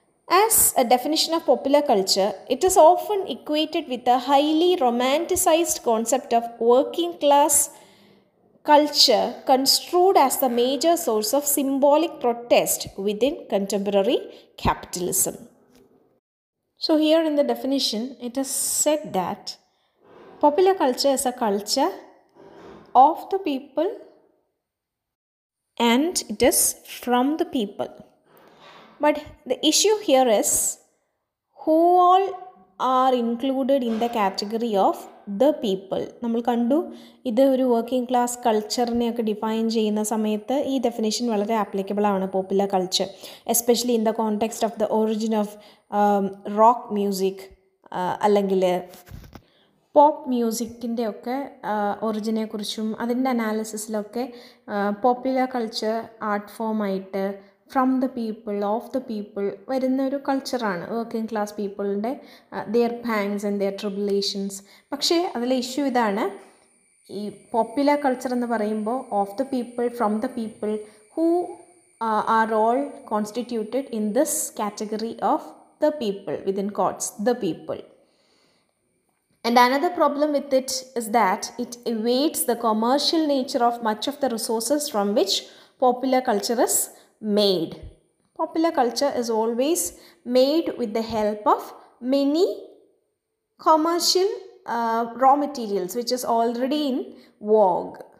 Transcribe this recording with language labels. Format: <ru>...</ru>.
<en>As a definition of popular culture, it is often equated with a highly romanticized concept of working class culture construed as the major source of symbolic protest within contemporary capitalism. So here in the definition, it is said that popular culture is a culture of the people and it is from the people. But the issue here is who all are included in the category of the people.</en> <ml>നമ്മൾ കണ്ടു ഇത് ഒരു working class കൾച്ചറിനെയൊക്കെ define ചെയ്യുന്ന സമയത്ത് ഈ definition വളരെ ആപ്ലിക്കബിളാണ്, popular culture,</ml> <en>especially in the context of the origin of rock music</en> <ml>അല്ലെങ്കിൽ pop മ്യൂസിക്കിൻ്റെ ഒക്കെ ഒറിജിനെക്കുറിച്ചും അതിൻ്റെ അനാലിസിസിലൊക്കെ popular culture art ഫോമായിട്ട്</ml> <en>from the people of the people</en> <ml>വരുന്ന ഒരു കൾച്ചറാണ് working class പീപ്പിളിൻ്റെ</ml> <en>Their pangs and their tribulations.</en> <ml>പക്ഷേ അതിലെ ഇഷ്യൂ ഇതാണ്, ഈ പോപ്പുലർ കൾച്ചർ എന്ന് പറയുമ്പോൾ</ml> <en>Of the people, from the people who are all constituted in this category of the people within quotes the people. And another problem with it is that it evades the commercial nature of much of the resources from which popular culture is made. Popular culture is always made with the help of many commercial raw materials which is already in vogue.</en>